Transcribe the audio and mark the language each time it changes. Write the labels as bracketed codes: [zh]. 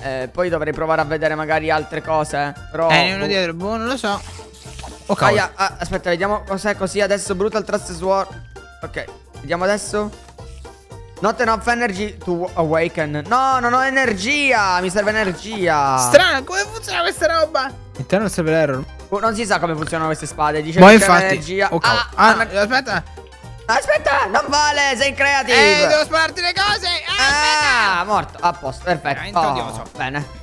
[it] Poi dovrei provare a vedere magari altre cose. Però. Uno dietro. Boh, non lo so. Oh, aspetta, vediamo cos'è così adesso. Brutal Thrust Sword. Ok, vediamo adesso. [en] Not enough energy to awaken. [it] No, non ho energia. Mi serve energia. Strano, come funziona questa roba? Interno serve l'error. Non si sa come funzionano queste spade. Dice ma che infatti. C'è energia. Aspetta. Aspetta, non vale, sei in creative. Devo spararti le cose. Morto, a posto, perfetto. Bene.